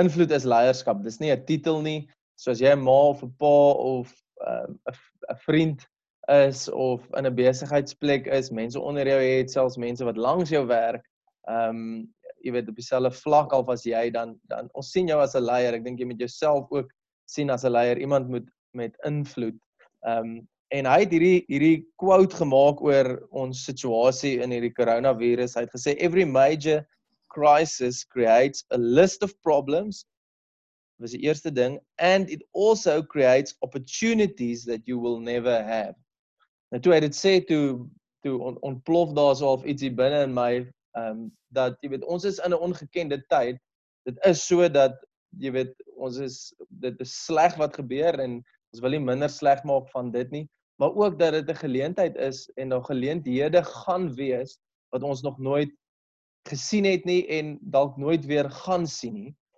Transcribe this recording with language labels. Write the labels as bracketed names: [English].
[Afrikaans] is leierskap, dis nie 'n titel nie, so as jy 'n ma of 'n pa of 'n vriend is of in 'n besigheidsplek is, mense onder jou het, selfs mense wat langs jou werk, jy weet, op dieselfde vlak af as jy, dan ons sien jou as 'n leier. Ek dink jy moet jouself ook sien as 'n leier, iemand moet met invloed. En hy het hierdie quote gemaak oor ons situasie in hierdie coronavirus. Hy het gesê, [English] every major crisis creates a list of problems, [Afrikaans] was die eerste ding, [English] and it also creates opportunities that you will never have. [Afrikaans] Nou toe hy dit sê, toe ontplof daar so of ietsie binne in my, dat, jy weet, ons is in 'n ongekende tyd, dit is so dat, jy weet, ons is, dit is sleg wat gebeur, en ons wil nie minder sleg maak van dit nie, maar ook dat dit 'n geleentheid is, en daar geleenthede gaan wees, wat ons nog nooit gesien het nie en dalk nooit weer gaan sien nie.